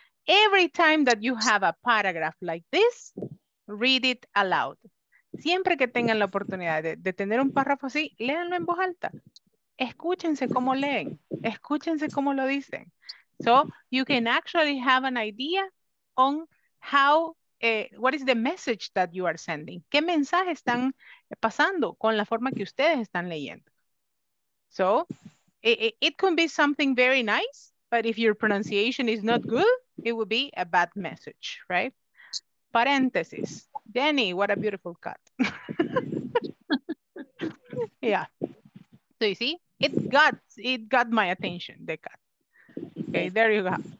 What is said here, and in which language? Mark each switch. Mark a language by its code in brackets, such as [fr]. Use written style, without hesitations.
[en] Every time that you have a paragraph like this, read it aloud. [es] Siempre que tengan la oportunidad de tener un párrafo así, léanlo en voz alta. Escúchense cómo leen. Escúchense cómo lo dicen. [en] So you can actually have an idea on how, what is the message that you are sending. [es] ¿Qué mensaje están pasando con la forma que ustedes están leyendo? [en] So it can be something very nice, but if your pronunciation is not good, it would be a bad message, right? Paréntesis. Danny, what a beautiful cut. Yeah. So you see, it got my attention, the cut. Okay, there you go.